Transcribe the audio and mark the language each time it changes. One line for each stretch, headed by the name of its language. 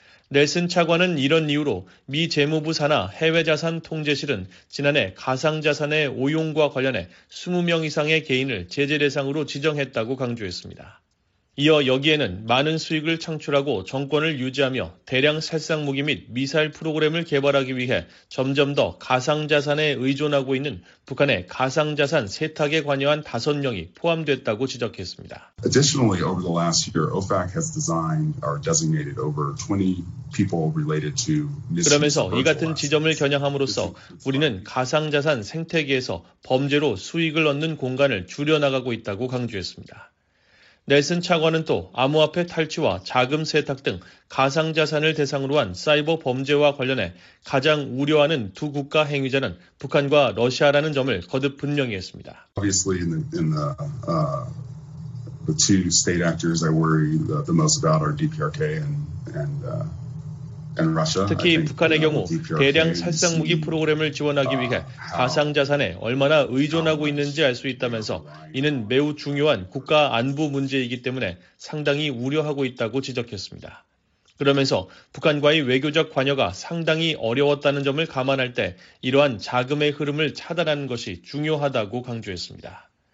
Korean: 넬슨 차관은 이런 이유로 미 재무부 산하 해외자산통제실은 지난해 가상자산의 오용과 관련해 20명 이상의 개인을 제재 대상으로 지정했다고 강조했습니다. 이어 여기에는 많은 수익을 창출하고 정권을 유지하며 대량 살상 무기 및 미사일 프로그램을 개발하기 위해 점점 더 가상자산에 의존하고 있는 북한의 가상자산 세탁에 관여한 5명이 포함됐다고 지적했습니다.
English: Additionally, over the last year, OFAC has designed or designated over 20 people related to.
Korean: 그러면서 이 같은 지점을 겨냥함으로써 우리는 가상자산 생태계에서 범죄로 수익을 얻는 공간을 줄여나가고 있다고 강조했습니다. 넬슨 차관은 또 암호화폐 탈취와 자금 세탁 등 가상자산을 대상으로 한 사이버 범죄와 관련해 가장 우려하는 두 국가 행위자는 북한과 러시아라는 점을 거듭 분명히 했습니다.
English: Obviously the two state actors I worry the most about are DPRK and Russia.
Korean: 특히 북한의 경우 대량 살상 무기 프로그램을 지원하기 위해 가상자산에 얼마나 의존하고 있는지 알 수 있다면서 이는 매우 중요한 국가 안보 문제이기 때문에 상당히 우려하고 있다고 지적했습니다. 그러면서 북한과의 외교적 관여가 상당히 어려웠다는 점을 감안할 때 이러한 자금의 흐름을 차단하는 것이 중요하다고 강조했습니다.